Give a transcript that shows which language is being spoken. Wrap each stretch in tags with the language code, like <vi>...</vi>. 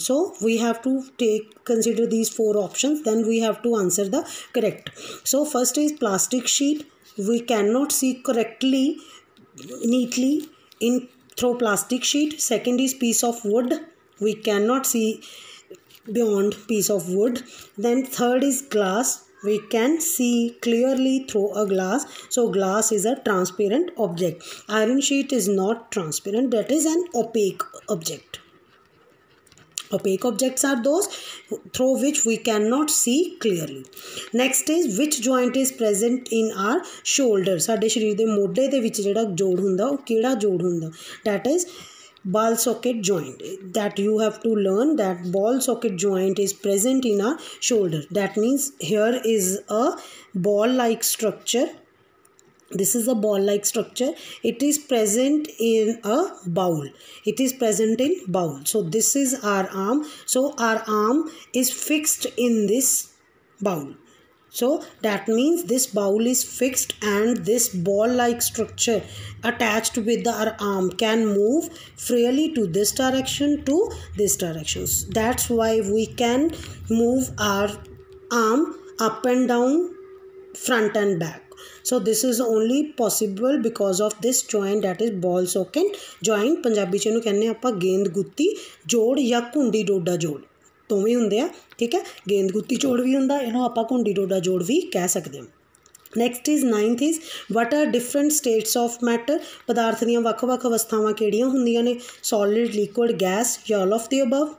<en>So we have to take consider these four options, then we have to answer the correct. So first is plastic sheet, we can not see correctly neatly in through plastic sheet. Second is piece of wood, we can not see beyond piece of wood. Then third is glass, we can see clearly through a glass. So glass is a transparent object. Iron sheet is not transparent, that is an opaque object. Opaque objects are those through which we cannot see clearly. Next is which joint is present in our shoulder.</en> <pa>ਸਾਡੇ ਸਰੀਰ ਦੇ ਮੋਢੇ ਦੇ ਵਿੱਚ ਜਿਹੜਾ ਜੋੜ ਹੁੰਦਾ ਉਹ ਕਿਹੜਾ ਜੋੜ ਹੁੰਦਾ?</pa> <en>That is ball socket joint. That you have to learn that ball socket joint is present in our shoulder. That means here is a ball like structure. This is a ball like structure. It is present in a bowl. It is present in bowl. So this is our arm. So our arm is fixed in this bowl. So that means this bowl is fixed and this ball like structure attached with our arm can move freely to this direction, to this direction. That's why we can move our arm up and down, front and back. So this is only possible because of this joint, that is ball socket joint.</en> <pa>Punjabi ch nu kehne aapa gend gutti jod ya kundi doda jod, ਦੋਵੇਂ ਹੁੰਦੇ ਆ, ਠੀਕ ਹੈ, ਗੇਂਦ ਗੁੱਤੀ ਜੋੜ ਵੀ ਹੁੰਦਾ, ਇਹਨੂੰ ਆਪਾਂ ਘੁੰਡੀ ਡੋਡਾ ਜੋੜ ਵੀ ਕਹਿ ਸਕਦੇ ਹਾਂ.</pa> <en>Next is ninth is what are different states of matter.</en> <pa>ਪਦਾਰਥ ਦੀਆਂ ਵੱਖ ਵੱਖ ਅਵਸਥਾਵਾਂ ਕਿਹੜੀਆਂ ਹੁੰਦੀਆਂ ਨੇ? ਸੋਲਿਡ, ਲਿਕੁਇਡ, ਗੈਸ, ਜਾਂ ਆਲ ਆਫ ਦੀ ਅਬਵ.</pa>